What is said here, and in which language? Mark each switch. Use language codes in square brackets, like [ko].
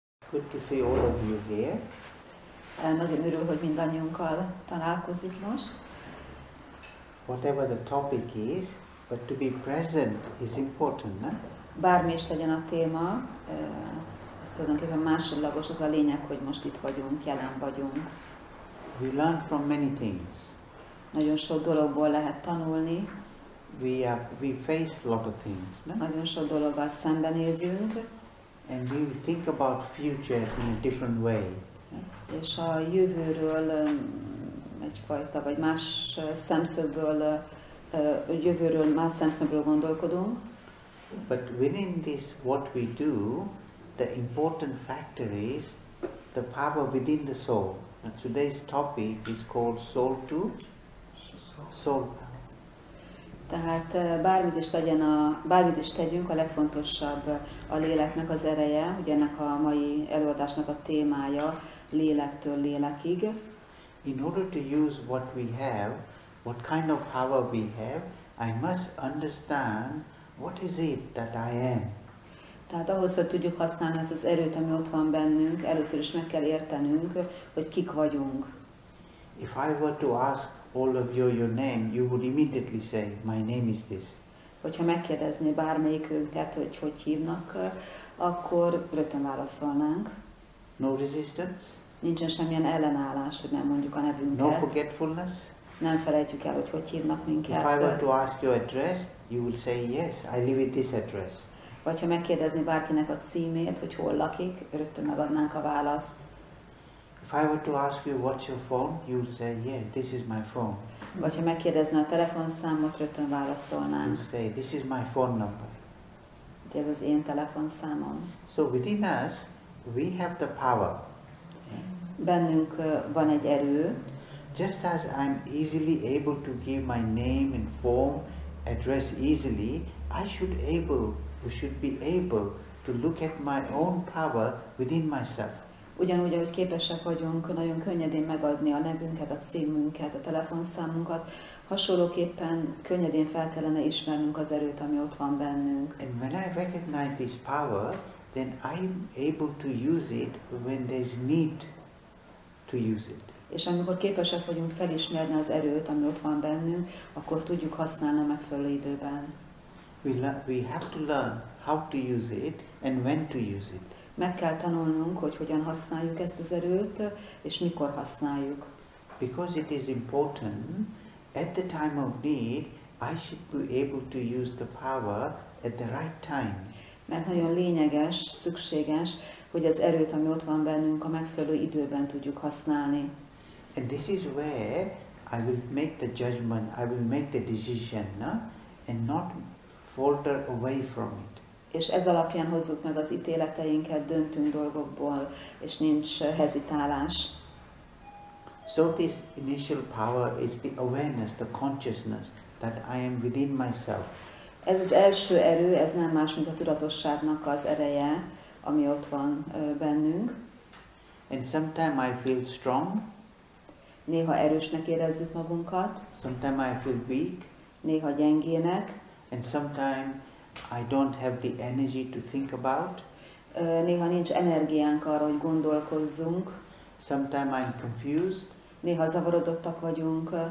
[en] Good to see all of you here. [hu] Nagyon örül, hogy mindannyiunkkal találkozik most. [en] Whatever the topic is, but to be present is important. [hu] Bármi is legyen a téma, ez tulajdonképpen másodlagos, az a lényeg, hogy most itt vagyunk, jelen vagyunk. [en] We learn from many things. [hu] Nagyon sok dologból lehet tanulni. [en] We face a lot of things. [hu] Nagyon sok dologgal szembenézünk. [en] And we think about future in a different way. [hu] És a jövőről egyfajta vagy más szemszögből jövőről más szemszögből gondolkodunk. [en] But within this, what we do, the important factor is the power within the soul. And today's topic is called soul to soul. [hu] Tehát bármit is legyen bármit is tegyünk, a legfontosabb a léleknek az ereje, hogy ennek a mai előadásnak a témája lélektől lélekig. [en] In order to use what we have, what kind of power we have, I must understand what is it that I am. [hu] Tehát ahhoz, hogy tudjuk használni ezt az erőt, ami ott van bennünk, először is meg kell értenünk, hogy kik vagyunk. [en] If I were to ask all of you your name, you would immediately say, my name is this. [hu] Hogyha megkérdezné bármelyikünket, hogy hívnak, akkor rögtön válaszolnánk. [en] No resistance. [hu] Nincsen semmilyen ellenállás, hogy nem mondjuk a nevünket. [en] No forgetfulness. [hu] Nem felejtjük el, hogy hívnak minket. [en] If I were to ask your address, you would say, yes, I live at this address. [hu] Vagy ha megkérdezné bárkinek a címét, hogy hol lakik, rögtön megadnánk a választ. [en] If I were to ask you what's your phone, you would say, yeah, this is my phone. [hu] Vagy ha megkérdezné a telefonszámot, rögtön válaszolnánk. [en] You say, this is my phone number. [hu] Ez az én telefonszámom. [en] So within us, we have the power. [hu] Bennünk van egy erő. [en] Just as I'm easily able to give my name and form, address easily, I should able, or should be able to look at my own power within myself. [hu] Ugyanúgy, ahogy képesek vagyunk nagyon könnyedén megadni a nevünket, a címünket, a telefonszámunkat, hasonlóképpen könnyedén fel kellene ismernünk az erőt, ami ott van bennünk. [en] And when I recognize this power, then I'm able to use it when there's need to use it. [hu] És amikor képesek vagyunk felismerni az erőt, ami ott van bennünk, akkor tudjuk használni a megfelelő időben. [en] We have to learn how to use it and when to use it. [hu] Meg kell tanulnunk, hogy hogyan használjuk ezt az erőt, és mikor használjuk. [en] Because it is important, at the time of need, I should be able to use the power at the right time. [hu] Mert nagyon lényeges, szükséges, hogy az erőt, ami ott van bennünk, a megfelelő időben tudjuk használni. [en] And this is where I will make the judgment, I will make the decision, no? And not falter away from it. [hu] És ez alapján hozzuk meg az ítéleteinket, döntünk dolgokból, és nincs hezitálás. [en] So this initial power is the awareness, the consciousness that I am within myself. [hu] Ez az első erő, ez nem más, mint a tudatosságnak az ereje, ami ott van bennünk. [en] And sometimes I feel strong. [hu] Néha erősnek érezzük magunkat. [en] Sometimes I feel weak. [hu] Néha gyengének. [en] And sometimes I don't have the energy to think about. [hu] Néha nincs energiánk arra, hogy gondolkozzunk. [en] Sometimes I'm confused. [hu] Néha zavarodottak vagyunk.